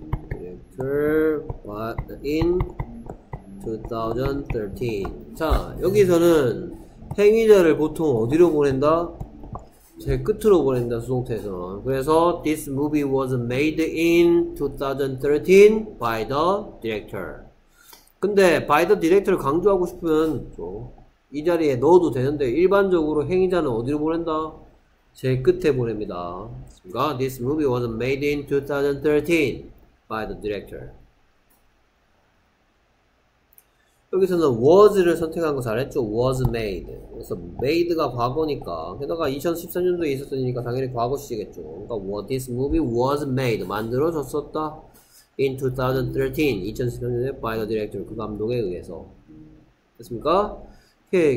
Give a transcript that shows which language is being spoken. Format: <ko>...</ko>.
<en>Director in 2013.</en> <ko>자, 여기서는 행위자를 보통 어디로 보낸다? 제일 끝으로 보낸다, 수동태에서는.</ko> <en>그래서, this movie was made in 2013 by the director.</en> <ko>근데,</ko> <en>by the director</en> <ko>를 강조하고 싶으면, 또 이 자리에 넣어도 되는데, 일반적으로 행위자는 어디로 보낸다? 제일 끝에 보냅니다. 그러니까</ko> <en>this movie was made in 2013 by the director.</en> <ko>여기서는 was를 선택한 거 잘했죠? was made. 그래서 made가 과거니까. 게다가 2013년도에 있었으니까 당연히 과거 시제겠죠. 그러니까</ko> <en>this movie was made.</en> <ko>만들어졌었다.</ko> <en>In 2013.</en> <ko>2013년에 by the director. 그 감독에 의해서. 됐습니까? 오케이.</ko>